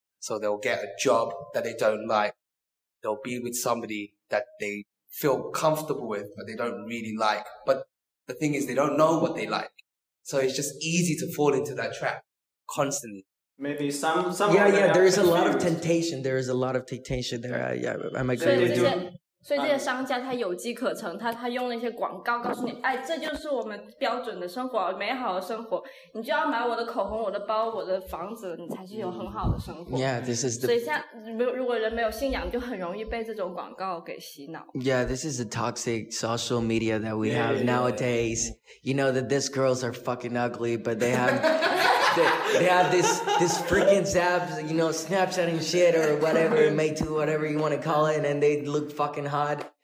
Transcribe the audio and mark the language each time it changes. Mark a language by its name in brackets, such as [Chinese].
[English] So they'll get a job that they don't like. They'll be with somebody that they feel comfortable with, but they don't really like. But the thing is, they don't know what they like. So it's just easy to fall into that trap constantly. Maybe some Yeah, there is a lot of temptation. There is a lot of temptation there. Yeah, I'm agreeing with you. [Chinese] 所以这些商家他有机可乘，他用那些广告告诉你，哎，这就是我们标准的生活，美好的生活，你就要买我的口红，我的包，我的房子，你才是有很好的生活。 [English] Yeah, this is the... [Chinese] 所以像如果人没有信仰，就很容易被这种广告给洗脑。 [English] Yeah, this is the toxic social media that we have nowadays. You know that these girls are fucking ugly, but they have... they have this freaking zaps, you know, Snapchat and shit or whatever, Meitu, whatever you want to call it, and they look fucking hot.